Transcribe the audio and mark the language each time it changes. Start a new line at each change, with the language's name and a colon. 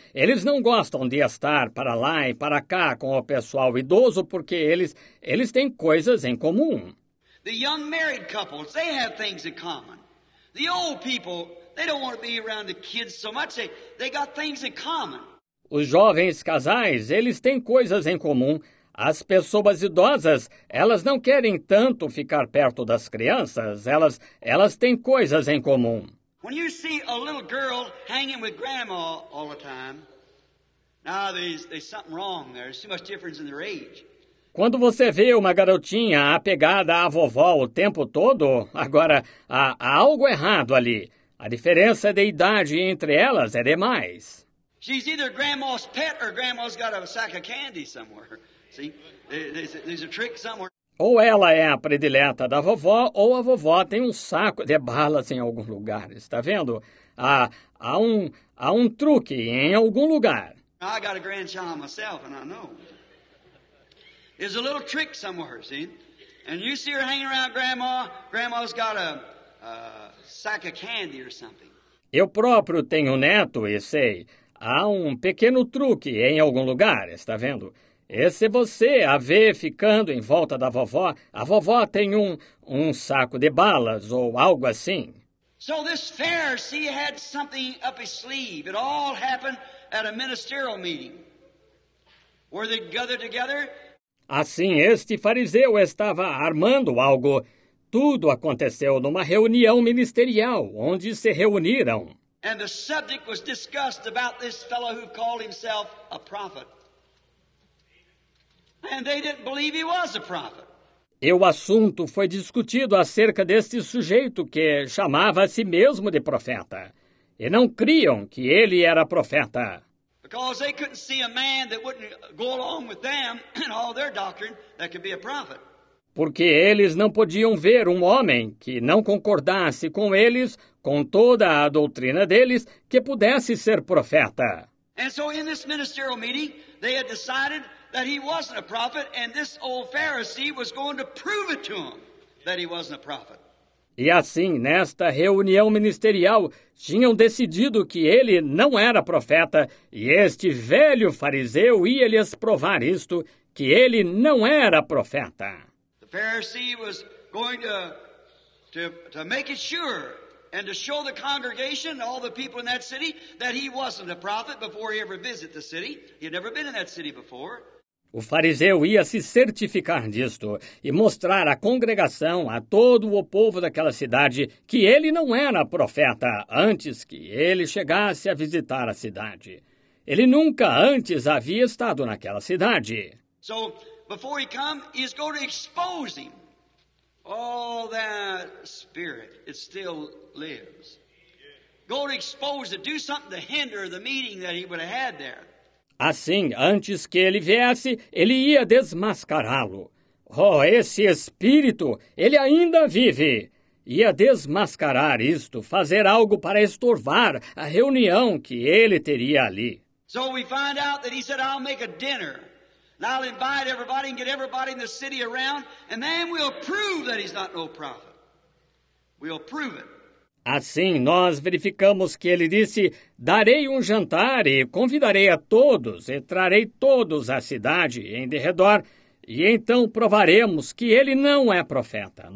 Portuguese: Eles não gostam de estar para lá e para cá com o pessoal idoso porque eles têm coisas em comum.
English: The young married couples, they have things in common. The old people, they don't want to be around the kids so much. They got things in common.
Portuguese: Os jovens casais, eles têm coisas em comum. As pessoas idosas, elas não querem tanto ficar perto das crianças. Elas têm coisas em comum.
English: When you see a little girl hanging with grandma all the time, now there's something wrong. There's too much difference in their age.
Portuguese: Quando você vê uma garotinha apegada à vovó o tempo todo, agora há algo errado ali. A diferença de idade entre elas é demais.
English: She's either grandma's pet or grandma's got a sack of candy somewhere. See, there's a trick somewhere.
Portuguese: Ou ela é a predileta da vovó, ou a vovó tem um saco de balas em algum lugar. Está vendo? Há um truque em algum lugar.
English: I got a grandchild myself, and I know. There's a little trick somewhere, see? And you see her hanging around grandma, grandma's got a sack of candy or something.
Portuguese: Eu próprio tenho neto e sei. Há um pequeno truque em algum lugar, está vendo? E se você a vê ficando em volta da vovó, a vovó tem um saco de balas ou algo assim.
English: So this Pharisee had something up his sleeve. It all happened at a ministerial meeting. Where they gathered together?
Portuguese: Assim, este fariseu estava armando algo. Tudo aconteceu numa reunião ministerial, onde se reuniram.
English: And the subject was discussed about this fellow who called himself a prophet. And they didn't believe he was a prophet.
Portuguese: E o assunto foi discutido acerca deste sujeito que chamava a si mesmo de profeta. E não criam que ele era profeta.
English: Because they couldn't see a man that wouldn't go along with them and all their doctrine that could be a prophet.
Portuguese: Porque eles não podiam ver um homem que não concordasse com eles, com toda a doutrina deles, que pudesse ser profeta.
English: And so in this ministerial meeting, they had decided that he wasn't a prophet, and this old Pharisee was going to prove it to him that he wasn't a prophet.
Portuguese: E assim, nesta reunião ministerial, tinham decidido que ele não era profeta, e este velho fariseu ia lhes provar isto, que ele não era profeta.
English: The Pharisee was going to make it sure and to show the congregation and all the people in that city that he wasn't a prophet before he ever visited the city. He had never been in that city before.
Portuguese: O fariseu ia se certificar disto e mostrar à congregação, a todo o povo daquela cidade, que ele não era profeta antes que ele chegasse a visitar a cidade. Ele nunca antes havia estado naquela cidade.
English: So, before he come, he's going to expose him. All that spirit, it still lives. Go to expose it, do something to hinder the meeting that he would have had there.
Portuguese: Assim, antes que ele viesse, ele ia desmascará-lo. Oh, esse espírito, ele ainda vive. Ia desmascarar isto, fazer algo para estorvar a reunião que ele teria ali.
English: So we find out that he said, I'll make a dinner. And I'll invite everybody and get everybody in the city around. And then we'll prove that he's not no prophet. We'll prove it.
Portuguese: Assim, nós verificamos que ele disse, darei um jantar e convidarei a todos, e trarei todos à cidade em derredor, e então provaremos que ele não é profeta.